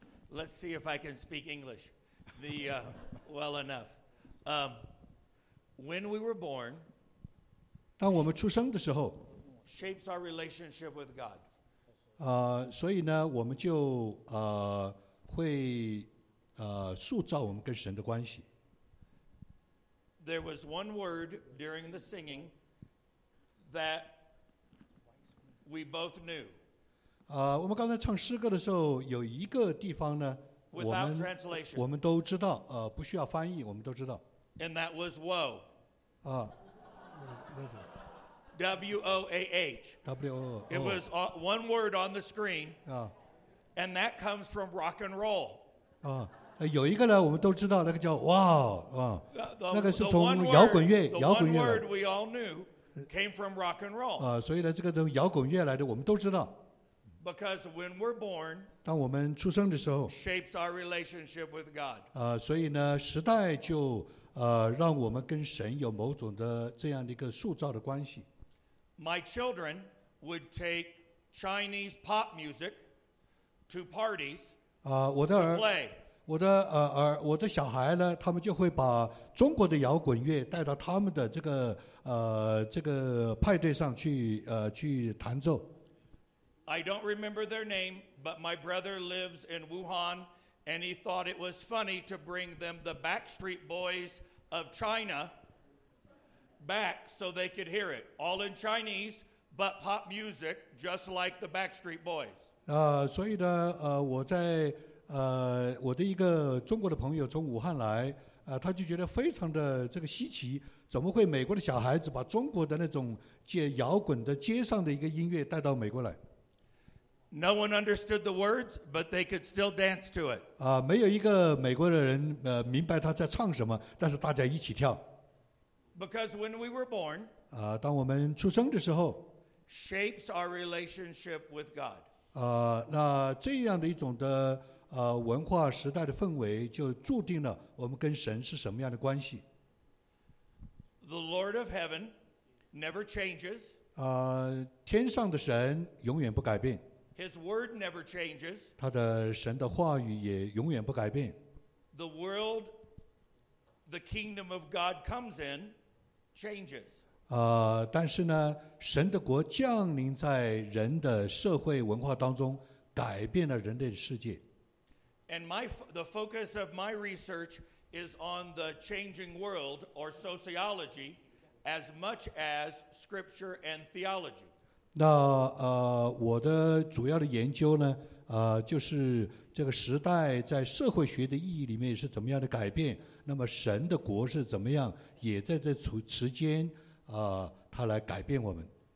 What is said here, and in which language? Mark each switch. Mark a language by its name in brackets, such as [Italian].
[English] Let's see if I can speak English well enough. When we were born, [Chinese] 当我们出生的时候 [English] shapes our relationship with God. [Chinese] 所以呢，我们就会塑造我们跟神的关系。 [English] There was one word during the singing that we both knew. [Chinese] 我们刚才唱诗歌的时候，有一个地方呢， [English] without translation. [Chinese] 我们都知道，不需要翻译，我们都知道。 [English] And that was woe. W-O-A-H. W-O-A-H. It was one word on the screen. And that comes from rock and roll. [Chinese] 有一个呢，我们都知道，那个叫哇那个是从摇滚乐，摇滚乐。 [English] The one word we all knew came from rock and roll. [Chinese] 所以呢，这个从摇滚乐来的，我们都知道。 [English] Because when we're born, [Chinese] 当我们出生的时候 [English] shapes our relationship with God. [Chinese] 所以呢，时代就让我们跟神有某种的这样的一个塑造的关系。 [English] My children would take Chinese pop music to parties to play. [Chinese] 我的小孩呢，他们就会把中国的摇滚乐带到他们的这个这个派对上去去弹奏。 [English] I don't remember their name, but my brother lives in Wuhan, and he thought it was funny to bring them the Backstreet Boys of China back so they could hear it, all in Chinese, but pop music just like the Backstreet Boys. [Chinese] 所以呢，我在我的一个中国的朋友从武汉来，他就觉得非常的这个稀奇，怎么会美国的小孩子把中国的那种街摇滚的街上的一个音乐带到美国来？ [English] No one understood the words, but they could still dance to it. [Chinese] 没有一个美国的人明白他在唱什么，但是大家一起跳。 [English] Because when we were born, [Chinese] 当我们出生的时候 [English] shapes our relationship with God. [Chinese] 那这样的一种的文化时代的氛围就注定了我们跟神是什么样的关系。 [English] The Lord of Heaven never changes. [Chinese] 天上的神永远不改变。 [English] His word never changes. [Chinese] 他的神的话语也永远不改变。 [English] The world the kingdom of God comes in changes. [Chinese] 但是呢，神的国降临在人的社会文化当中，改变了人类的世界。 [English] And the focus of my research is on the changing world or sociology as much as scripture and theology. [Chinese] 那我的主要的研究呢，就是这个时代在社会学的意义里面是怎么样的改变，那么神的国是怎么样也在这时间它来改变我们。